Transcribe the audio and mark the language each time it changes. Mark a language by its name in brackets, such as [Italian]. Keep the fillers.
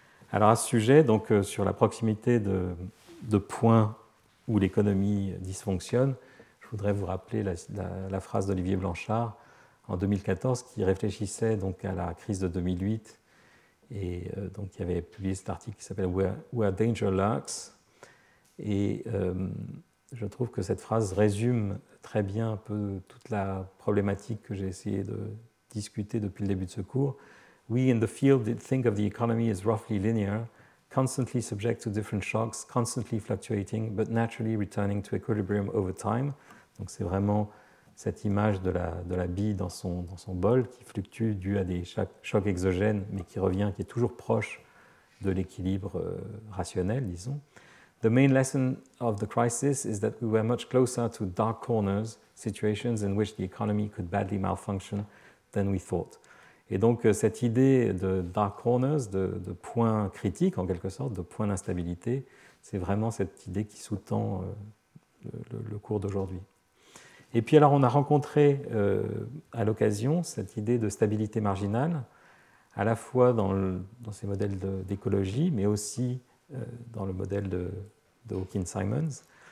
[French] Alors à ce sujet, donc euh, sur la proximité de, de points où l'économie dysfonctionne, je voudrais vous rappeler la, la, la phrase d'Olivier Blanchard en 2014 qui réfléchissait donc à la crise de 2008 et euh, donc il avait publié cet article qui s'appelle Where, Where, Danger Lurks et euh, je trouve que cette phrase résume très bien un peu toute la problématique que j'ai essayé de discuter depuis le début de ce cours. [English] We in the field think of the economy as roughly linear, constantly subject to different shocks, constantly fluctuating, but naturally returning to equilibrium over time. [French] Donc c'est vraiment cette image de la, de la bille dans son, dans son, bol qui fluctue dû à des chocs, chocs exogènes, mais qui revient, qui est toujours proche de l'équilibre euh, rationnel, disons. [English] The main lesson of the crisis is that we were much closer to dark corners, situations in which the economy could badly malfunction than we thought. [French] Et donc cette idée de dark corners, de, de points critiques en quelque sorte, de points d'instabilité, c'est vraiment cette idée qui sous-tend euh, le, le cours d'aujourd'hui. Et puis alors on a rencontré euh, à l'occasion cette idée de stabilité marginale, à la fois dans, le, dans ces modèles d'écologie, mais aussi euh, dans le modèle de, de Hawking-Simons.